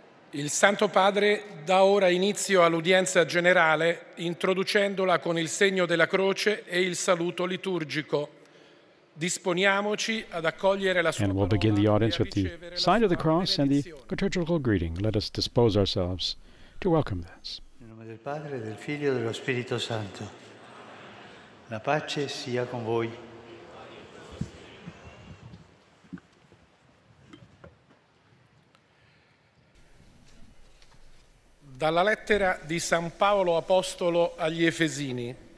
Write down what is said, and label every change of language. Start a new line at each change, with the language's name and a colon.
Italian: Il Santo Padre dà ora inizio all'udienza generale introducendola con il segno della croce e il saluto liturgico. Disponiamoci ad accogliere la sua parola.
English: And we'll begin the audience with the sign of the cross and the liturgical greeting. Let us dispose ourselves to welcome this.
Italian: In nome del Padre, del Figlio e dello Spirito Santo. La pace sia con voi. Dalla lettera di San Paolo Apostolo agli Efesini.